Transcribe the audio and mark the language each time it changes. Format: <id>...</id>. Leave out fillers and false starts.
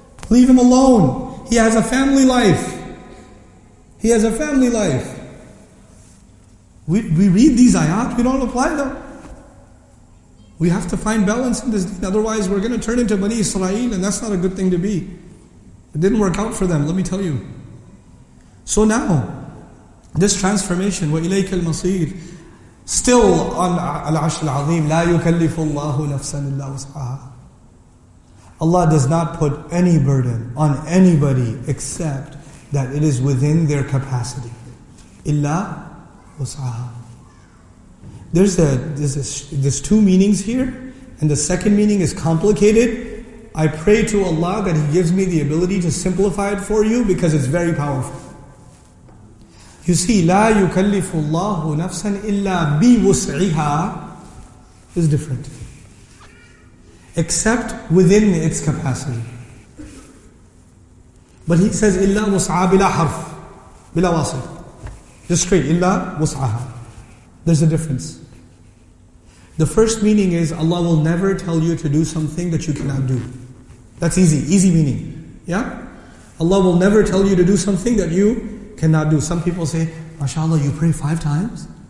<en>Leave him alone. He has a family life. He has a family life. We read these ayat, we don't apply them. We have to find balance in this deen. Otherwise we're going to turn into Bani Israel, and that's not a good thing to be. It didn't work out for them, let me tell you. So now, this transformation,</en> <ar>وَإِلَيْكَ الْمَصِيرِ, still on العرش العظيم, لَا يُكَلِّفُ اللَّهُ نَفْسًا إِلَّا وُسْعَهَا.</ar> <en>Allah does not put any burden on anybody except that it is within their capacity.</en> <ar>إِلَّا وُسْعَهَا.</ar> <en>There's two meanings here, and the second meaning is complicated. I pray to Allah that He gives me the ability to simplify it for you, because it's very powerful. You see,</en> <ar>لا يكلف الله نفسا إلا بوسعها</ar> <en>is different. Except within its capacity. But he says,</en> <ar>إلا وسعى بلا حرف, بلا واصل.</ar> <en>Just straight,</en> <ar>إلا وسعها.</ar> <en>There's a difference. The first meaning is, Allah will never tell you to do something that you cannot do. That's easy, easy meaning. Yeah? Allah will never tell you to do something that you cannot do. Some people say, MashaAllah, you pray 5 times?</en>